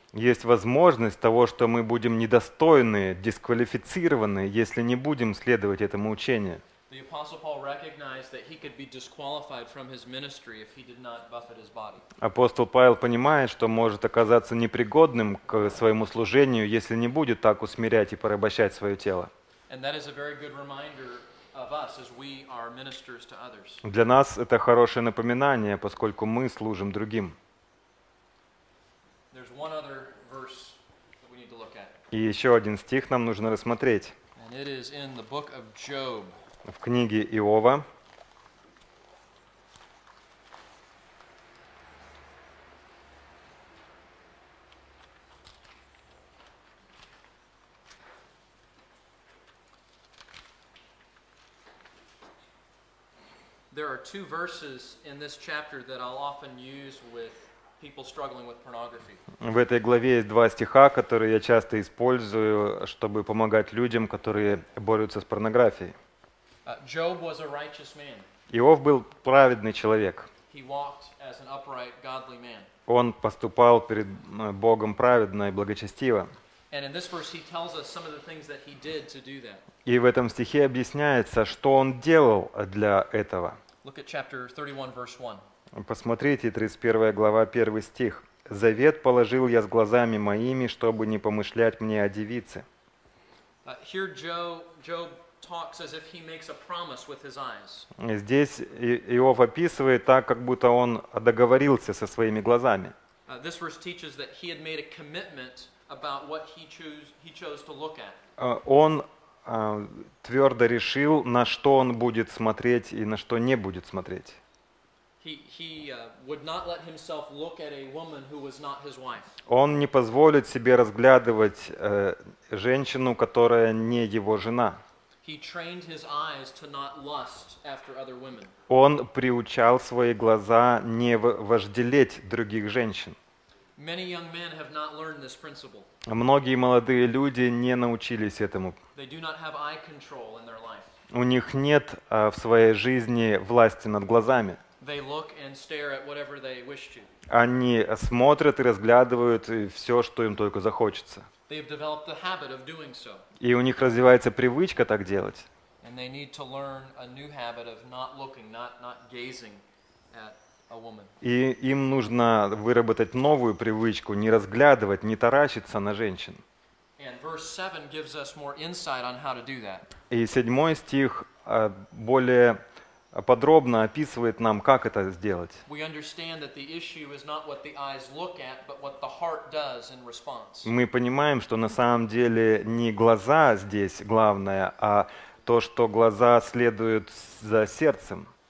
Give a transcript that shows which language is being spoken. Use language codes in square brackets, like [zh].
[ru] Есть возможность того, что мы будем недостойны, дисквалифицированы, если не будем следовать этому учению. [en] The Apostle Paul recognized that he could be disqualified from his ministry if he did not buffet his body. [ru] Апостол Павел понимает, что может оказаться непригодным к своему служению, если не будет так усмирять и порабощать свое тело. [en] And that is a very good reminder of us as we are ministers to others. [ru] Для нас это хорошее напоминание, поскольку мы служим другим. [en] There's one other verse that we need to look at. [ru] И еще один стих нам нужно рассмотреть. [en] And it is in the book of Job. [ru] В книге Иова. [en] There are two verses in this chapter that I'll often use with people struggling with pornography. [ru] В этой главе есть два стиха, которые я часто использую, чтобы помогать людям, которые борются с порнографией. [en] Job was a righteous man. [ru] Иов был праведный человек. [en] He walked as an upright, godly man. [ru] Он поступал перед Богом праведно и благочестиво. [en] And in this verse he tells us some of the things that he did to do that. [ru] И в этом стихе объясняется, что он делал для этого. [en] Look at chapter 31, verse 1. [ru] Посмотрите, 31 глава, 1 стих. «Завет положил я с глазами моими, чтобы не помышлять мне о девице». [en] Here Job talks as if he makes a promise with his eyes. [ru] Здесь Иов описывает так, как будто он договорился со своими глазами. [en] This verse teaches that he had made a commitment about what he chose to look at. [ru] Он твердо решил, на что он будет смотреть и на что не будет смотреть. [en] He would not let himself look at a woman who was not his wife. [ru] Он не позволит себе разглядывать женщину, которая не его жена. [en] He trained his eyes to not lust after other women. [ru] Он приучал свои глаза не вожделеть других женщин. [en] Many young men have not learned this principle. [ru] Многие молодые люди не научились этому. [en] They do not have eye control in their life. [ru] У них нет в своей жизни власти над глазами. [en] They look and stare at whatever they wish to. [ru] Они смотрят и разглядывают все, что им только захочется. [en] They have developed the habit of doing so. [ru] И у них развивается привычка так делать. [en] And they need to learn a new habit of not looking, not gazing at a woman. [ru] И им нужно выработать новую привычку не разглядывать, не таращиться на женщин. [en] And verse 7 gives us more insight on how to do that. [ru] И 7 стих более подробно описывает нам, как это сделать. Мы понимаем, что на самом деле не глаза здесь главное, а то, что глаза следуют за сердцем.